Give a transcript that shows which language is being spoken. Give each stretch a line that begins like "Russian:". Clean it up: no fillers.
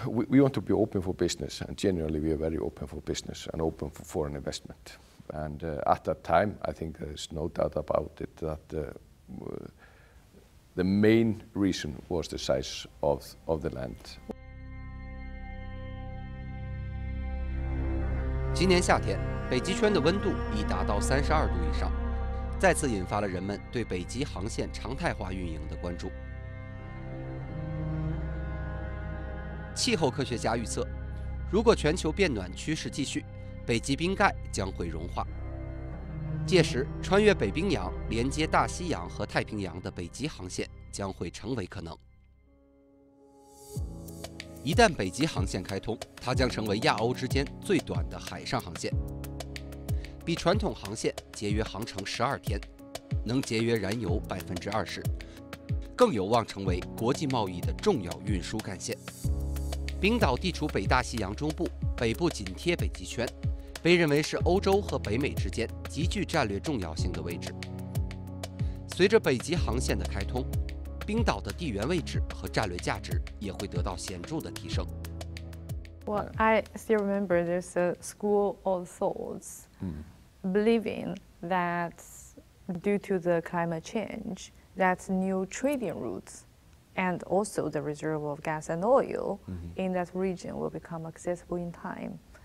English: we want to be open for business, and generally we are very open for business and open for foreign investment. And at that time, I think there's no doubt about it that the main reason was the size of the land.
Chinese: 今年夏天，北极圈的温度已达到32度以上，再次引发了人们对北极航线常态化运营的关注。气候科学家预测，如果全球变暖趋势继续，北极冰盖将会融化。届时，穿越北冰洋、连接大西洋和太平洋的北极航线将会成为可能。一旦北极航线开通，它将成为亚欧之间最短的海上航线，比传统航线节约航程12天，能节约燃油20%，更有望成为国际贸易的重要运输干线。冰岛地处北大西洋中部，北部紧贴北极圈，被认为是欧洲和北美之间极具战略重要性的位置。随着北极航线的开通，冰岛的地缘位置和战略价值也会得到显著的提升。
English: Well, I still remember there's a school of thoughts believing that due to the climate change, that new trading routes and also the reserve of gas and oil in that region will become accessible in time.